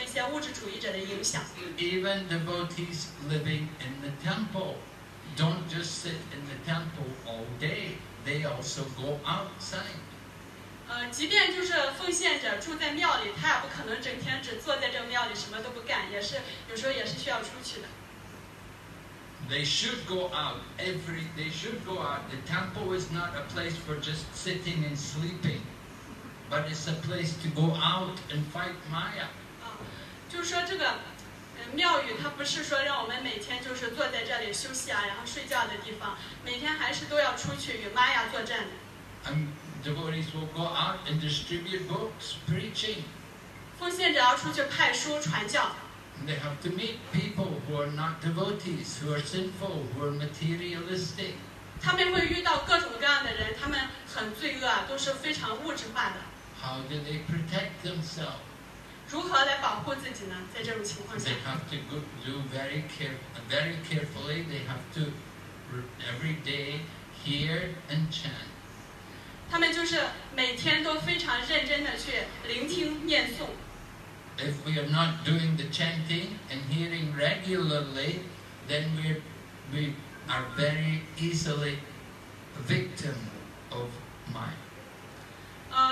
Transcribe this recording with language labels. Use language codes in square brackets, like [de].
[zh] 同样的，我们奉献者也要学会保护自己，然后免于受那些物质主义者的影响。 [en] Even devotees living in the temple. Don't just sit in the temple all day. They also go outside. [zh] 即便就是奉献者住在庙里，他也不可能整天只坐在这庙里什么都不干，也是有时候也是需要出去的。 [en] They should go out. The temple is not a place for just sitting and sleeping, but it's a place to go out and fight Maya. [zh] 就是说这个。庙宇它不是说让我们每天就是坐在这里休息啊，然后睡觉的地方，每天还是都要出去与玛雅作战的。 [en] And devotees will go out and distribute books, preaching. [zh] 奉献者要出去派书传教。 [en] They have to meet people who are not devotees, who are sinful, who are materialistic. [zh] 他们会遇到各种各样的人, 他们很罪恶啊, 都是非常物质化的。 [en] How do they protect themselves? [zh] 如何来保护自己呢?在这种情况下, [en] they have to do very carefully. They have to every day hear and chant. [zh] 他们就是每天都非常认真地去聆听念诵。 [en] If we are not doing the chanting and hearing regularly, then we are very easily victim of mind.